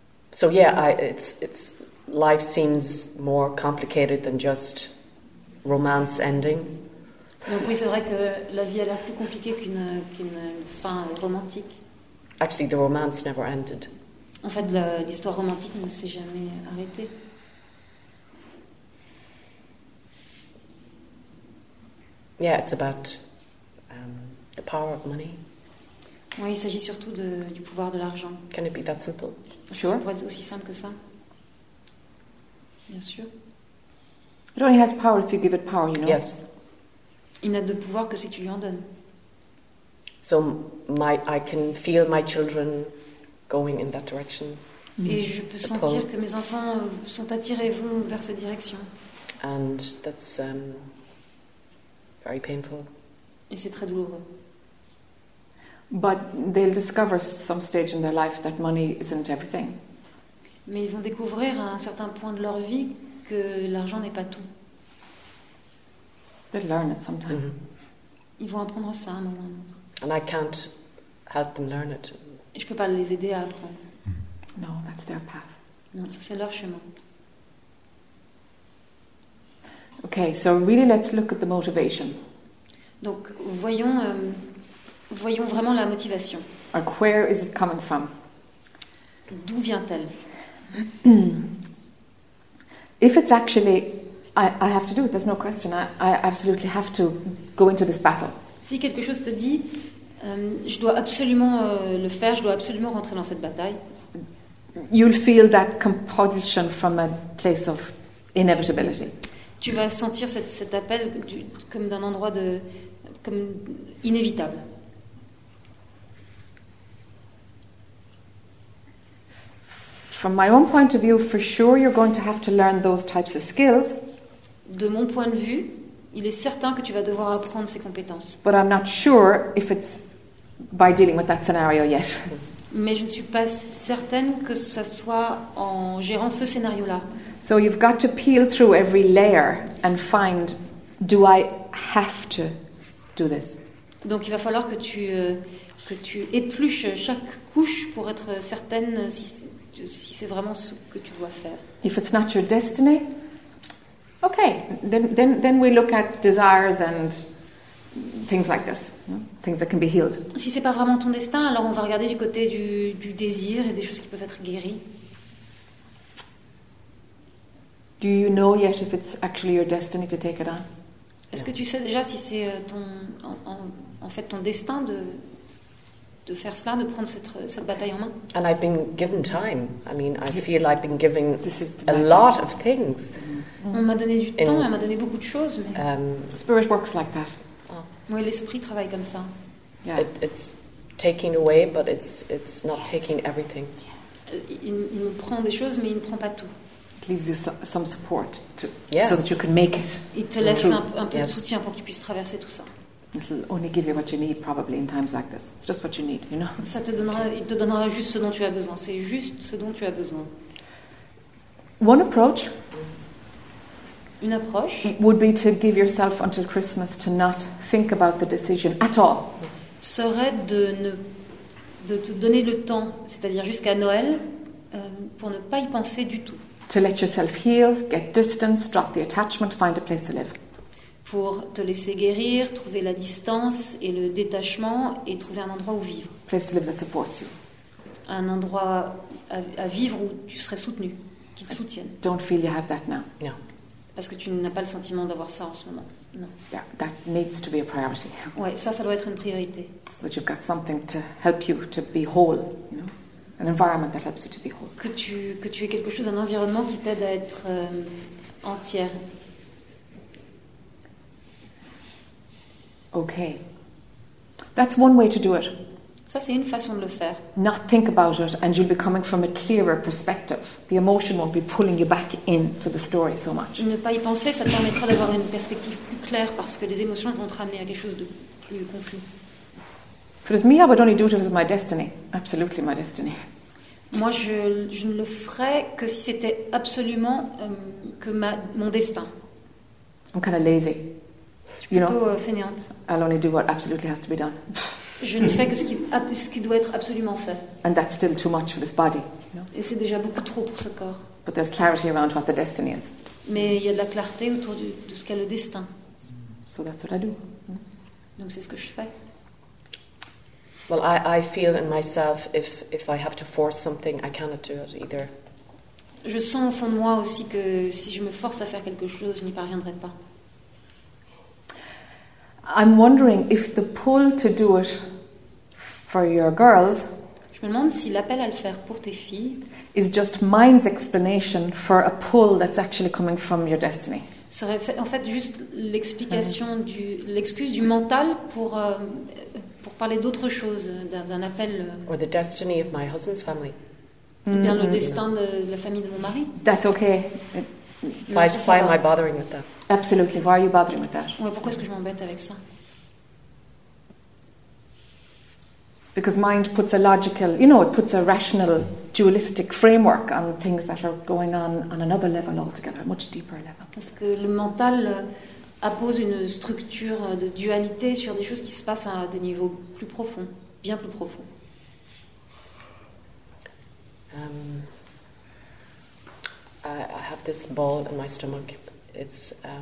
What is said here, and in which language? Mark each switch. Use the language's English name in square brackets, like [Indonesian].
[English] So yeah, it's life seems more complicated than just romance ending. [French] Donc oui, c'est vrai que la vie a l'air plus compliquée qu'une fin romantique. [English] Actually, the romance never ended. [French] En fait, l'histoire romantique ne s'est jamais arrêtée. [English] Yeah, it's about the power of money. [French] Oui, il s'agit surtout du pouvoir de l'argent. [English] Can it be that simple? Sure. [French] Est-ce que ça pourrait être aussi simple que ça? Bien sûr. [English] It only has power if you give it power, you know? Yes. [French] Il n'a de pouvoir que si tu lui en donnes. [English] So I can feel my children going in that direction. [French] Et je peux sentir que mes enfants sont attirés et vont vers cette direction. [English] And that's very painful. [French] Et c'est très douloureux. [English] But they'll discover some stage in their life that money isn't everything. [French] Mais ils vont découvrir à un certain point de leur vie que l'argent n'est pas tout. [English] They'll learn it sometime. Mm-hmm. [French] Ils vont apprendre ça à un moment ou à un autre. [English] And I can't help them learn it. [French] Et je peux pas les aider à apprendre. [English] No, that's their path. [French] Non, ça c'est leur chemin. [English] Okay, so really let's look at the motivation. [French] Donc voyons voyons vraiment la motivation. [English] Like, where is it coming from? [French] D'où vient-elle? [English] If it's actually, I have to do it. There's no question. I absolutely have to go into this battle. [French] Si quelque chose te dit, je dois absolument le faire. Je dois absolument rentrer dans cette bataille. [English] You'll feel that compulsion from a place of inevitability. [French] Tu vas sentir cet appel comme d'un endroit de comme inévitable. [English] From my own point of view, for sure, you're going to have to learn those types of skills. [French] De mon point de vue, il est certain que tu vas devoir apprendre ces compétences. [English] But I'm not sure if it's by dealing with that scenario yet. [French] Mais je ne suis pas certaine que ça soit en gérant ce scénario-là. [English] So you've got to peel through every layer and find, do I have to do this? [French] Donc il va falloir que tu épluches chaque couche pour être certaine si c'est vraiment ce que tu dois faire. [English] If it's not your destiny, okay, then we look at desires and things like this, things that can be healed. [French] Si c'est pas vraiment ton destin, alors on va regarder du côté du désir et des choses qui peuvent être guéries. [English] Do you know yet if it's actually your destiny to take it on? [French] Est-ce que tu sais déjà si c'est en fait ton destin de faire cela, de prendre cette bataille en main? [English] And I've been given time. I mean, I feel I've been given a lot of things. [French] On m'a donné du temps, elle m'a donné beaucoup de choses. Mais... [English] Spirit works like that. [French] Oui, l'esprit travaille comme ça. [English] Yeah. It's taking away, but it's not taking everything. [French] Il me prend des choses, mais il ne prend pas tout. [English] It leaves you some support so that you can make it. [French] Il te laisse un peu de soutien pour que tu puisses traverser tout ça. [English] It'll only give you what you need, probably in times like this. It's just what you need, you know. [French] Ça te donnera, il te donnera juste ce dont tu as besoin. C'est juste ce dont tu as besoin. [English] One approach. [French] Une approche. [English] Would be to give yourself until Christmas to not think about the decision at all. [French] Serait de te donner le temps, c'est-à-dire jusqu'à Noël, pour ne pas y penser du tout. [English] To let yourself heal, get distance, drop the attachment, find a place to live. [French] Pour te laisser guérir, trouver la distance et le détachement et trouver un endroit où vivre. [English] Place to live that supports you. [French] Un endroit à vivre où tu serais soutenu, qui te soutienne. [English] Don't feel you have that now. No. [French] Parce que tu n'as pas le sentiment d'avoir ça en ce moment. Non. [English] Yeah, that needs to be a priority. [French] Ouais, ça doit être une priorité. [English] So that you've got something to help you to be whole, you know, an environment that helps you to be whole. [French] Que tu aies quelque chose, un environnement qui t'aide à être entière. [English] Okay. That's one way to do it. [French] Ça, c'est une façon de le faire. [English] Not think about it, and you'll be coming from a clearer perspective. The emotion won't be pulling you back into the story so much. [French] Ne pas y penser, ça te permettra d'avoir une perspective plus claire, parce que les émotions vont te ramener à quelque chose de plus conflit. [English] If it was me, I would only do it if it was my destiny. Absolutely my destiny. [French] Moi, je ne le ferais que si c'était absolument que mon destin. [English] I'm kind of lazy. [French] Je suis plutôt fainéante. [English] I'll only do what absolutely has to be done. [French] Je ne fais que ce qui doit être absolument fait. [English] And that's still too much for this body. [French] Et c'est déjà beaucoup trop pour ce corps. [English] But there's clarity around what the destiny is. [French] Mais il y a de la clarté autour de ce qu'est le destin. [English] So that's what I do. [French] Donc c'est ce que je fais. [English] Well, I feel in myself if I have to force something, I cannot do it either. [French] Je sens au fond de moi aussi que si je me force à faire quelque chose, je n'y parviendrai pas. [English] I'm wondering if the pull to do it for your girls, [French] je me demande si l'appel à le faire pour tes filles, [English] is just mind's explanation for a pull that's actually coming from your destiny. [French] Serait en fait juste l'explication l'excuse du mental pour parler d'autre chose, d'un appel. [English] Or the destiny of my husband's family. [French] Eh bien, le destin de la famille de mon mari. [English] That's okay. Why am I bothering with that? Absolutely. Why are you bothering with that? [French] Ouais, pourquoi est-ce que je m'embête avec ça? [English] Because mind puts a logical, you know, it puts a rational, dualistic framework on things that are going on another level altogether, a much deeper level. [French] Parce que le mental appose une structure de dualité sur des choses qui se passent à des niveaux plus profonds, bien plus profonds. [English] I have this ball in my stomach. It's